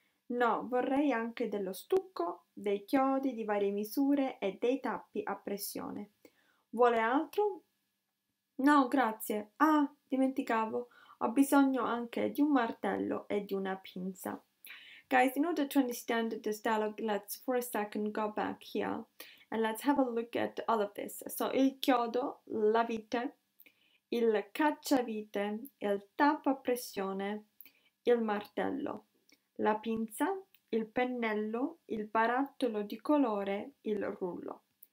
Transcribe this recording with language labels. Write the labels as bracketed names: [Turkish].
[Italian] No, vorrei anche dello stucco, dei chiodi di varie misure e dei tappi a pressione. Vuole altro? No, grazie. Ah, dimenticavo. Ho bisogno anche di un martello e di una pinza. [English] Guys, in order to understand this dialogue, let's for a second go back here and let's have a look at all of this. [Italian] So, il chiodo, la vite, il cacciavite, il tappo a pressione, il martello. La pinza, il pennello, il barattolo di colore, il rullo.